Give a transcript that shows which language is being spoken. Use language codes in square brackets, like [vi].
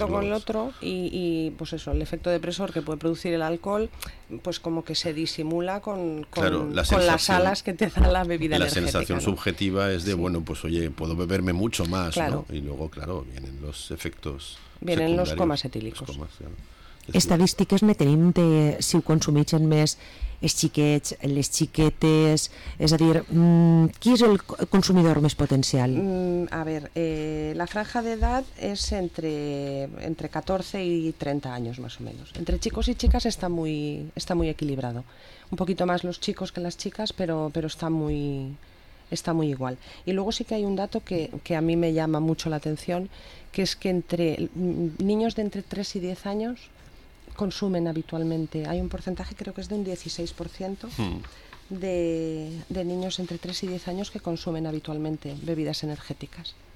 [es] dos. Un efecto con el otro y pues eso, el efecto depresor que puede producir el alcohol, pues como que se disimula con las alas que te da la bebida energética. La sensación subjetiva es de, bueno, pues oye, puedo beberme mucho más, ¿no? Y luego, claro, vienen los efectos secundarios. Vienen los comas etílicos. [ca] Estadístiques me tenim de si ho consumeixen més els xiquets, les xiquetes, és a dir, qui és el consumidor més potencial? [es] A ver, la franja de edad es entre 14 y 30 años más o menos. Entre chicos y chicas está muy equilibrado. Un poquito más los chicos que las chicas, pero está muy igual. Y luego sí que hay un dato que a mí me llama mucho la atención, que es que entre niños de entre 3 y 10 años consumen habitualmente, hay un porcentaje, creo que es de un 16% de niños entre 3 y 10 años que consumen habitualmente bebidas energéticas.